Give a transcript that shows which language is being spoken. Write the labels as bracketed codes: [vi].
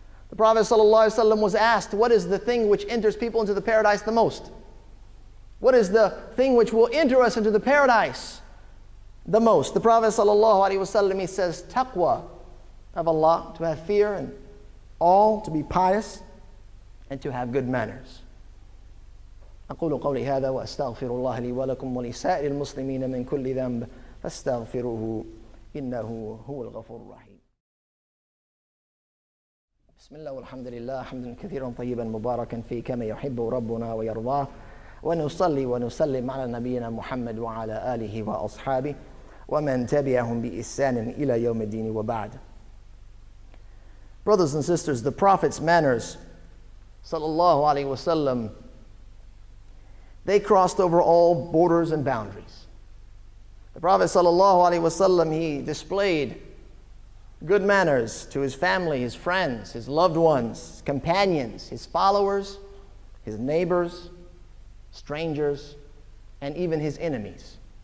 [en] The Prophet sallallahu alayhi wasallam was asked, what is the thing which enters people into the paradise the most? What is the thing which will enter us into the paradise the most? The Prophet sallallahu alayhi wasallam, he says, taqwa of Allah, to have fear and all, to be pious and to have good manners. [ar] أقول قولي هذا وأستغفر الله لي ولكم ولسائر المسلمين من كل ذنب فاستغفروه إنه هو الغفور الرحيم. بسم الله والحمد لله حمدا كثيرا طيبا مباركا فيه كما يحب ربنا ويرضاه ونصلي ونسلم على نبينا محمد وعلى آله وأصحابه ومن تبعهم بإحسان إلى يوم الدين وبعد. [en] Brothers and sisters, the Prophet's manners, sallallahu alaihi wasallam, they crossed over all borders and boundaries. The Prophet sallallahu alaihi wasallam, he displayed good manners to his family, his friends, his loved ones, companions, his followers, his neighbors, strangers, and even his enemies.